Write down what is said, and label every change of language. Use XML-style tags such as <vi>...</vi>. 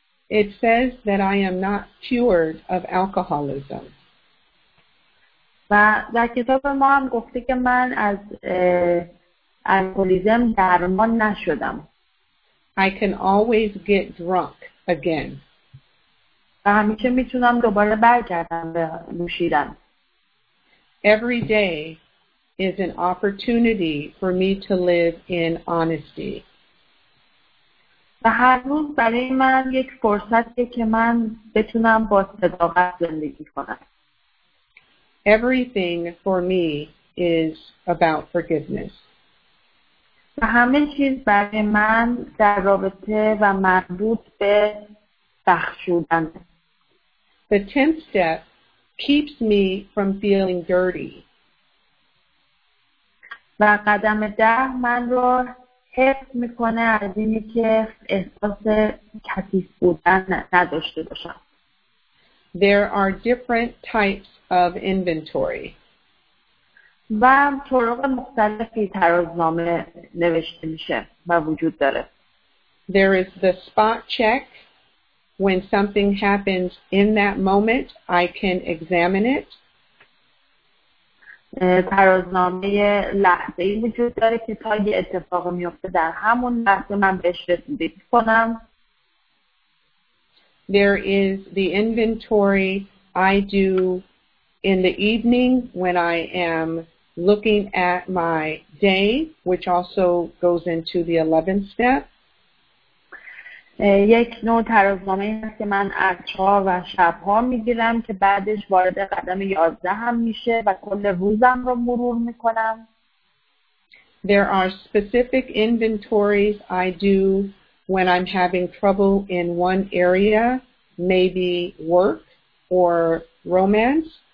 <en>It says that I am not cured of alcoholism.</en> <fa>و در کتاب ما هم گفته که من از الکلیزم درمان نشدم.</fa> <en>I can always get drunk again.</en> <fa>همیشه میتونم دوباره برگردم به نوشیدن.</fa> <en>Every day is an opportunity for me to live in honesty.</en> <fa>و هر روز برای من یک فرصتیه که من بتونم با صداقت زندگی کنم.</fa> <en>Everything for me is about forgiveness.</en> <fa>و همه چیز برای من در رابطه و مربوط به بخشودن.</fa> <en>The tenth step keeps me from feeling dirty.</en> <fa>و قدم ده من رو حفظ میکنه از اینی که احساس کثیف بودن نداشته باشم.</fa> <en>There are different types of inventory.</en> <fa>و طرق مختلفی ترازنامه نوشته میشه و وجود داره.</fa> <en>There is the spot check. When something happens in that moment, I can examine it.</en> <fa>ترازنامه لحظه ای وجود داره که تا یه اتفاق میفته در همون لحظه من بهش رسیدگی کنم.</fa> <en>There is the inventory I do in the evening when I am looking at my day, which also goes into the 11th step.</en> <fa>یک نوع ترازنامه هست که من عصرها و شبها میگیرم که بعدش وارد قدم 11 هم میشه و کل روزم رو مرور میکنم.</fa> <en>There are specific inventories I do when I'm having trouble in one area, maybe work or romance.</en>